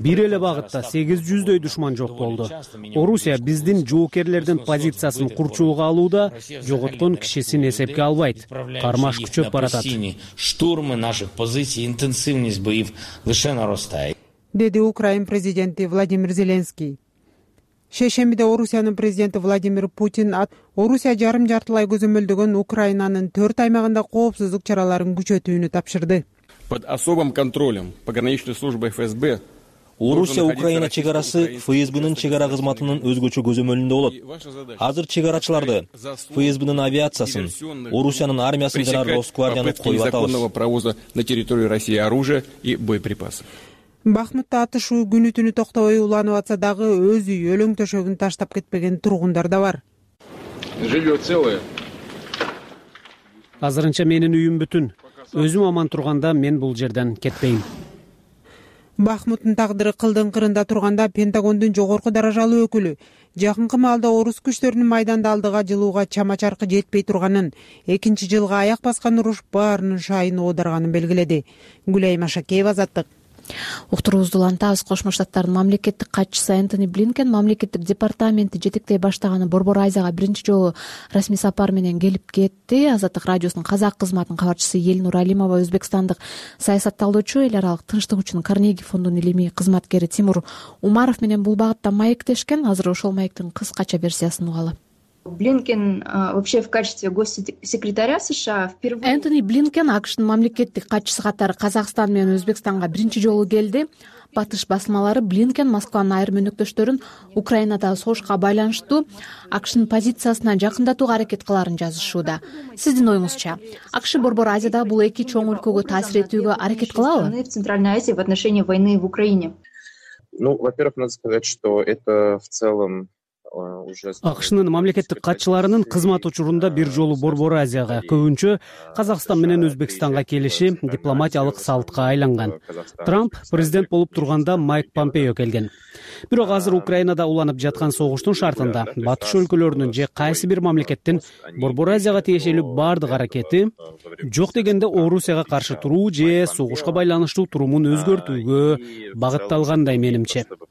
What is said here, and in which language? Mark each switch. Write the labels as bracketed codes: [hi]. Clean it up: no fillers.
[ky] Бир эле багытта 800 душман жок болду. Орусия биздин жоокерлердин позициясын курчууга алууда жоготкон кишисин эсепке албайт. Кармаш күчөп баратат. [ru] Штурмы наших позиций, интенсивность боев лише нарастает. [ky] Деди Украин президенти Владимир Зеленский. Шешембиде Орусиянын президенти Владимир Путин Орусия жарым жартылай көзөмөлдөгөн Украинанын 4 аймагында коопсуздук чараларын күчөтүүнү тапшырды. [ru] Под особым контролем пограничной службы ФСБ [ky] Орусия Украина чек арасы ФСБнын чек ара кызматынын өзгөчө көзөмөлүндө болот. Азыр чек арачыларды ФСБнын авиациясын, Орусиянын армиясын жана Росгвардияны коюп атабыз. [ru] Законного провоза на территорию России оружия и боеприпасов. [ky] Бахмутта атышуу күнү түнү токтобой уланып атса дагы өз үй өлөң төшөгүн таштап кетпеген тургундар да бар. [ru] Жилье целое. [ky] Азырынча менин үйүм бүтүн. Өзүм аман турганда мен бул жерден кетпейм. Бахмуттун тагдыры кылдын кырында турганда Пентагондун жогорку даражалуу өкүлү жакынкы маалда орус күчтөрүнүн майданды алдыга жылууга чама чаркы жетпей турганын, экинчи жылга аяк баскан уруш баарынын шайын оодарганын белгиледи. Гүлайым Ашакеева, Азаттык. Уктуруубузду улантабыз. Кошмо Штаттардын мамлекеттик катчысы Энтони Блинкен мамлекеттик департаменти жетектей баштаган Борбор Азияга биринчи жолу расмий сапар менен келип кетти. Азаттык радиосунун казак кызматынын кабарчысы Элинур Алимова өзбекстандык саясат талдоочу, эл аралык тынчтык үчүн Карнеги фондунун илимий кызматкери Тимур Умаров менен бул багытта маектешкен. Азыр ошол маектин кыскача версиясын угалы. [ru] Блинкен вообще в качестве госсекретаря США впервые. [ky] Энтони Блинкен АКШнын мамлекеттик катчысы катары Казакстан менен Өзбекстанга биринчи жолу келди. батыш басмалары Блинкен Москваны айрым өнөктөштөрүн Украинадагы согушка байланыштуу АКШнын позициясына жакындатууга аракет кыларын жазышууда. Сиздин оюңузча, АКШ Борбор Азияда бул эки чоң өлкөгө таасир этүүгө аракет кылабы? [ru] В Центральной Азии в отношении войны в Украине. Ну, во-первых, надо сказать, что это в целом [ky] АКШнын мамлекеттик катчыларынын кызмат учурунда бир жолу Борбор Азияга, көбүнчө Казакстан менен Өзбекстанга келиши дипломатиялык салтка айланган. Трамп президент болуп турганда Майк Помпео келген. Бирок азыр Украинада уланып жаткан согуштун шартында батыш өлкөлөрүнүн же кайсы бир мамлекеттин Борбор Азияга тиешелүү бардык аракети жок дегенде Орусияга каршы туруу же согушка байланыштуу турумун өзгөртүүгө багытталгандай менимче.